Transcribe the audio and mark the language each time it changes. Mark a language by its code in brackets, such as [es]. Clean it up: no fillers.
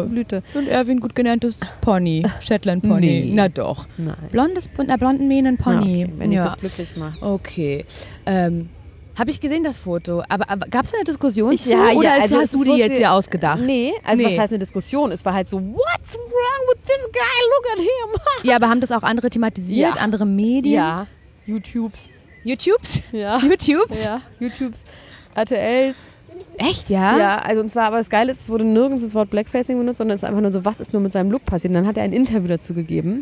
[de] zu Blüte. Und Erwin gut genanntes Pony, Shetland Pony. Nee. Na doch. Nein. Blonden Mähnen Pony. Okay, wenn ich das glücklich mache. Okay. Habe ich gesehen das Foto, aber gab es eine Diskussion ja, zu ja, oder also hast du die jetzt hier ausgedacht? Nee, also nee. Was heißt eine Diskussion? Es war halt so, [en] what's wrong with this guy? Look at him. [de] Ja, aber haben das auch andere thematisiert, ja. Andere Medien? Ja, YouTubes. YouTubes? Ja. YouTubes? Ja, YouTubes. RTLs. Echt, ja? Ja, also und zwar, aber das Geile ist, es wurde nirgends das Wort Blackfacing benutzt, sondern es ist einfach nur so, was ist nur mit seinem Look passiert? Und dann hat er ein Interview dazu gegeben.